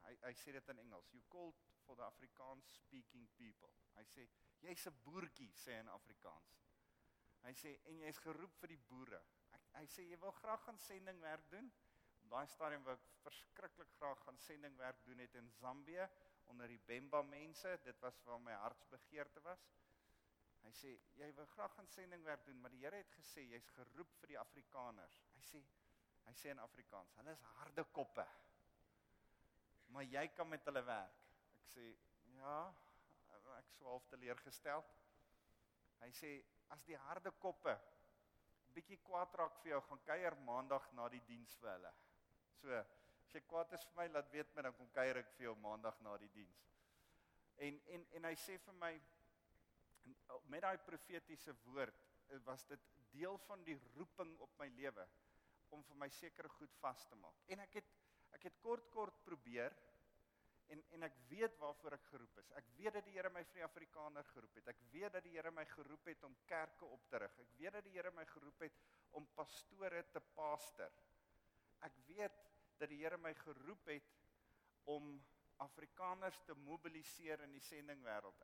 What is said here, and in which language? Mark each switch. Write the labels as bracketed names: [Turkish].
[Afrikaans] Hy sê dit in Engels, [English] you called for the Afrikaans speaking people. [Afrikaans] Hy sê, jy's 'n boertjie, sê in Afrikaans. Hy sê, en jy's geroep vir die boere. Hy sê, jy wil graag gaan sendingwerk doen. Op daai stadium wou ek verskriklik graag gaan sendingwerk doen het in Zambië, onder die Bemba mense, dit was waar my hartsbegeerte was. Hy sê, jy wil graag gaan sendingwerk doen, maar die Here het gesê, jy's geroep vir die Afrikaners. Hy sê in Afrikaans, hulle is harde koppe, maar jy kan met hulle werk. Ek sê, ja, ek is half teleurgesteld. Hy sê, as die harde koppe bietjie kwaad raak vir jou, gaan kuier maandag na die diens vir hulle. So, as jy kwaad is vir my, laat weet my, dan kom kuier ek vir jou maandag na die diens. En hy sê vir my, met daai profetiese woord, was dit deel van die roeping op my lewe, om vir my sekere goed vas te maak. En ek het kort probeer, En ek weet waarvoor ek geroep is. Ek weet dat die Here my vir die Afrikaner geroep het. Ek weet dat die Here my geroep het om kerke op te rig. Ek weet dat die Here my geroep het om pastore te pastor. Ek weet dat die Here my geroep het om Afrikaners te mobiliseer in die sendingwêreld.